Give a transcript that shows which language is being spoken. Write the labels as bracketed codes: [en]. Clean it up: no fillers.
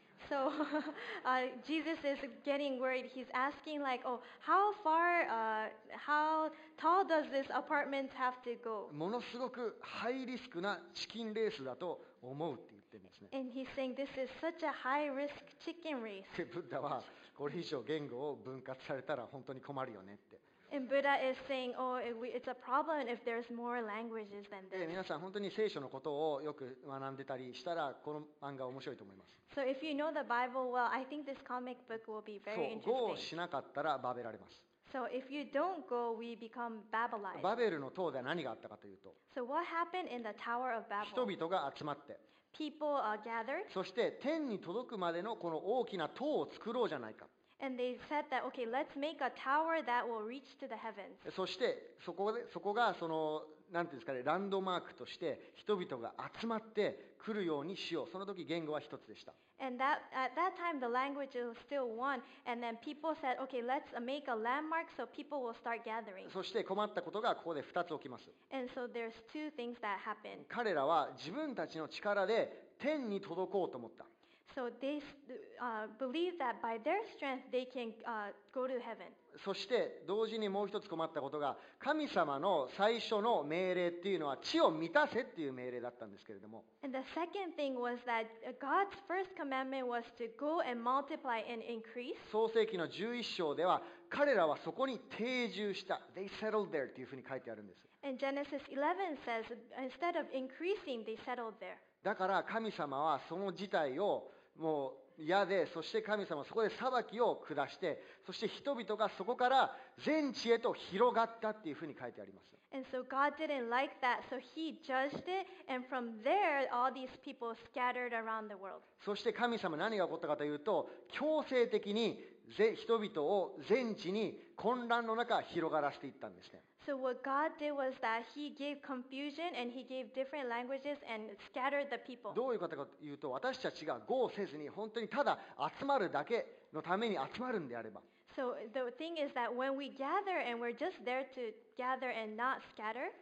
[en] So Jesus is getting worried. He's asking like, oh, how far, how tall does this apartment have to go? [ja] ものすごくハイリスクなチキンレースだと思うって言ってるんですね。 [en] And he's saying this is such a high risk chicken race. [ja] ブッダはこれ以上言語を分割されたら本当に困るよねって。 [en] And Buddha is saying, oh, it's a problem if there's more languages than this. [ja] 皆さん本当に聖書のことをよく学んでたりしたらこの漫画面白いと思います。 [en] So if you know the Bible well, I think this comic book will be very interesting. [ja] そう、Go しなかったらバベられます。 [en] So if you don't go, we become Babylonized. [ja] バベルの塔で何があったかというと、 [en] So what happened in the Tower of Babel? [ja] 人々が集まって、 [en] People are gathered. [ja] そして天に届くまでのこの大きな塔を作ろうじゃないか。 [en] And they said that, okay, let's make a tower that will reach to the heavens. [ja] そしてそこがそのなんていうんですかね、ランドマークとして人々が集まって来るようにしよう。その時言語は一つでした。 [en] And that, at that time the language was still one. And then people said, okay, let's make a landmark so people will start gathering. [ja] そして困ったことがここで二つ起きます。 [en] And so there's two things that happened. [ja] 彼らは自分たちの力で天に届こうと思った。 [en] So they believe that by their strength they can go to heaven. [ja] そして同時にもう一つ困ったことが、神様の最初の命令っていうのは地を満たせっていう命令だったんですけれども。 [en] And the second thing was that God's first commandment was to go and multiply and increase. [ja] 創世記の11章では彼らはそこに定住した。 [en] They settled there [ja] っていうふうに書いてあるんです。 [en] And Genesis 11 says instead of increasing, they settled there. [ja] だから神様はその事態をもう嫌で、そして神様はそこで裁きを下して、そして人々がそこから全地へと広がったっていうふうに書いてあります。 [en] And so God didn't like that, so he judged it, and from there all these people scattered around the world. [ja] そして神様何が起こったかというと、強制的に人々を全地に混乱の中広がらせていったんですね。 [en] So what God did was that He gave confusion and He gave different languages and scattered the people. [ja] どういうことかというと、私たちが Go せずに本当にただ集まるだけのために集まるんであれば。 [en] So the thing is that when we gather and we're just there to gather and not scatter,